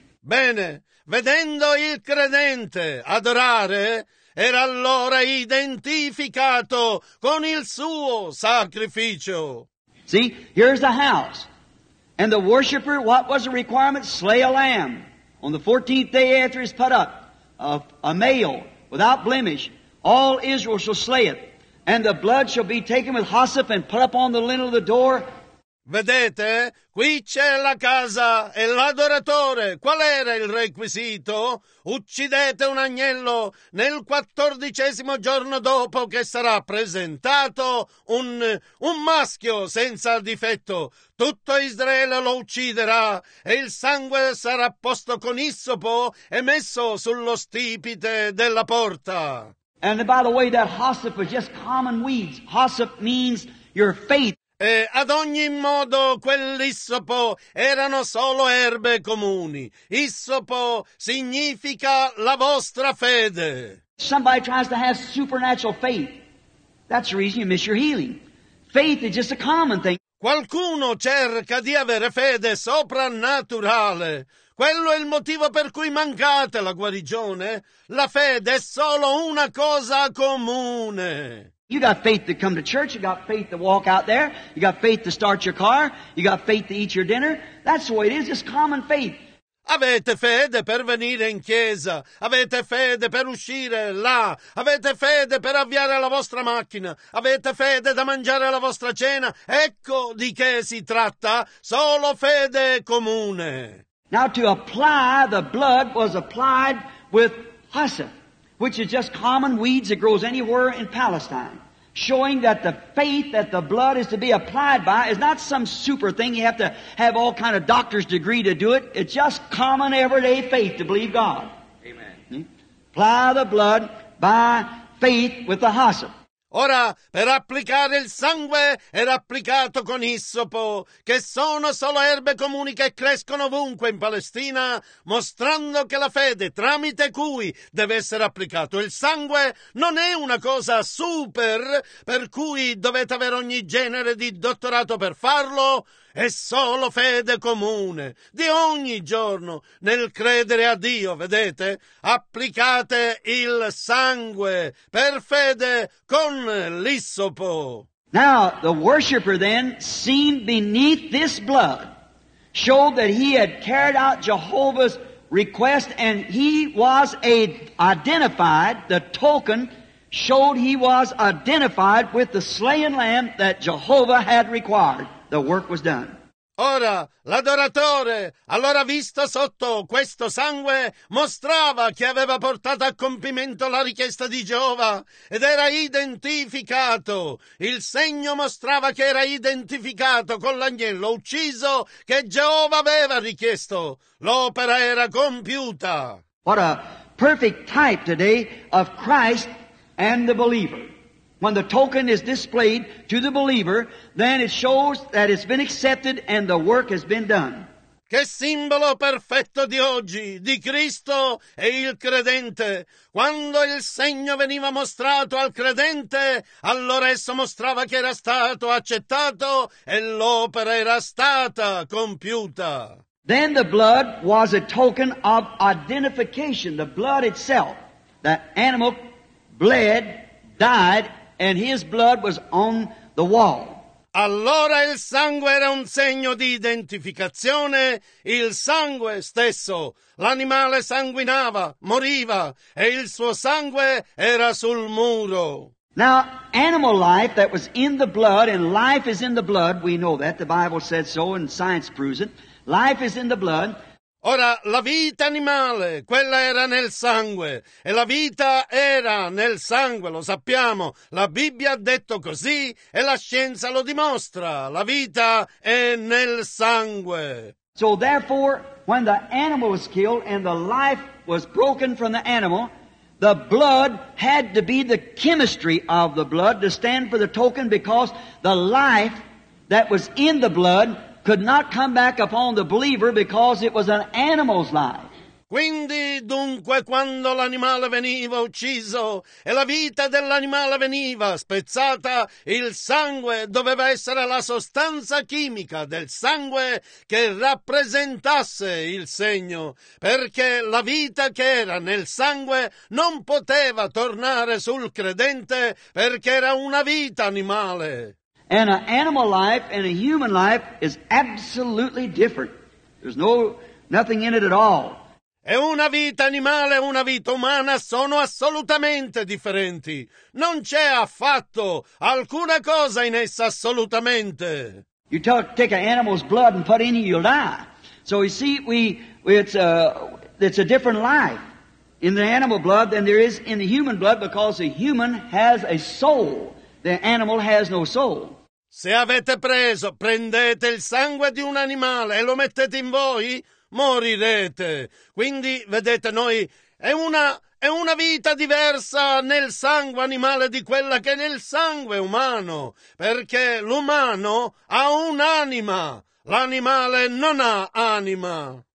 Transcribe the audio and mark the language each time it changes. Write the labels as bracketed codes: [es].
[it] Bene, vedendo il credente adorare, era allora identificato con il suo sacrificio. [en] See, here's the house. And the worshiper, what was the requirement? Slay a lamb. On the 14th day after it's put up, a male without blemish, all Israel shall slay it. And the blood shall be taken with hyssop and put up on the lintel of the door. [it] Vedete, qui c'è la casa e l'adoratore. Qual era il requisito? Uccidete un agnello nel 14° giorno dopo che sarà presentato un maschio senza difetto. Tutto Israele lo ucciderà e il sangue sarà posto con issopo e messo sullo stipite della porta. [en] And by the way, that hyssop is just common weeds. Hyssop means your faith. [it] E ad ogni modo quell'issopo erano solo erbe comuni. Issopo significa la vostra fede. [en] Somebody tries to have supernatural faith. That's the reason you miss your healing. Faith is just a common thing. [it] Qualcuno cerca di avere fede soprannaturale. Quello è il motivo per cui mancate la guarigione. La fede è solo una cosa comune. [en] You got faith to come to church, you got faith to walk out there, you got faith to start your car, you got faith to eat your dinner. That's the way it is, it's common faith. [it] Avete fede per venire in chiesa, avete fede per uscire là, avete fede per avviare la vostra macchina, avete fede da mangiare la vostra cena. Ecco di che si tratta, solo fede comune. [en] Now to apply the blood was applied with hyssop, which is just common weeds that grows anywhere in Palestine, showing that the faith that the blood is to be applied by is not some super thing. You have to have all kind of doctor's degree to do it. It's just common everyday faith to believe God. Amen. Apply the blood by faith with the hyssop. [it] Ora, per applicare il sangue, era applicato con issopo, che sono solo erbe comuni che crescono ovunque in Palestina, mostrando che la fede tramite cui deve essere applicato il sangue non è una cosa super per cui dovete avere ogni genere di dottorato per farlo, è solo fede comune, di ogni giorno, nel credere a Dio, vedete? Applicate il sangue per fede con l'issopo. [en] Now, the worshipper then, seen beneath this blood, showed that he had carried out Jehovah's request, and he was identified, the token showed he was identified with the slain lamb that Jehovah had required. The work was done. [it] Ora, l'adoratore, allora visto sotto questo sangue, mostrava che aveva portato a compimento la richiesta di Geova ed era identificato. Il segno mostrava che era identificato con l'agnello ucciso che Geova aveva richiesto. L'opera era compiuta. [en] What a perfect type today of Christ and the believer. When the token is displayed to the believer, then it shows that it's been accepted and the work has been done. [it] Che simbolo perfetto di oggi, di Cristo e il credente. Quando il segno veniva mostrato al credente, allora esso mostrava che era stato accettato e l'opera era stata compiuta. [en] Then the blood was a token of identification. The blood itself, the animal bled, died, and his blood was on the wall. [it] Allora il sangue era un segno di identificazione, il sangue stesso. L'animale sanguinava, moriva, e il suo sangue era sul muro. [en] Now, animal life that was in the blood, and life is in the blood, we know that, the Bible said so, and science proves it. Life is in the blood. [it] Ora, la vita animale, quella era nel sangue, e la vita era nel sangue, lo sappiamo, la Bibbia ha detto così, e la scienza lo dimostra, la vita è nel sangue. [en] So therefore, when the animal was killed and the life was broken from the animal, the blood had to be the chemistry of the blood to stand for the token, because the life that was in the blood could not come back upon the believer because it was an animal's life. [it] Quindi, dunque, quando l'animale veniva ucciso e la vita dell'animale veniva spezzata, il sangue doveva essere la sostanza chimica del sangue che rappresentasse il segno, perché la vita che era nel sangue non poteva tornare sul credente perché era una vita animale. [en] And an animal life and a human life is absolutely different. There's nothing in it at all. [it] E una vita animale e una vita umana sono assolutamente differenti. Non c'è affatto alcuna cosa in essa assolutamente. [en] You take an animal's blood and put it in you, you'll die. So you see, it's a different life in the animal blood than there is in the human blood, because the human has a soul. The animal has no soul. [it] Se avete preso, prendete il sangue di un animale e lo mettete in voi, morirete. Quindi, vedete, noi, è una vita diversa nel sangue animale di quella che è nel sangue umano, perché l'umano ha un'anima, l'animale non ha anima.